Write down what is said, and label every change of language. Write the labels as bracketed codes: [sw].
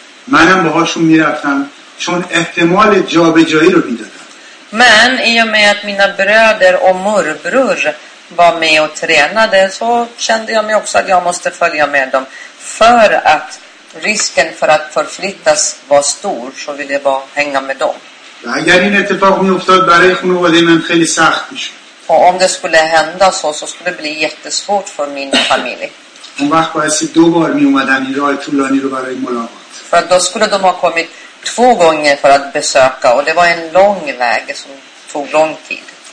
[sv] Jag var emot att [fa] چون احتمال جابجایی رو میدادن. [sv] من i och med att mina bröder och morbror var med och tränade så kände jag mig också att jag måste följa med dem för att risken för att förflyttas var stor så ville jag bara hänga med dem. [fa] اگر این اتفاق میافتاد برای خانواده من خیلی سخت میشد. [sv] Och om det skulle hända så skulle det bli jättesvårt för min familj. [fa] اون وقت بایستی دو بار میومدن این راه طولانی رو برای ملاقات. [sv] För då skulle de ha kommit två gånger för att besöka och det var en lång väg som tog lång tid.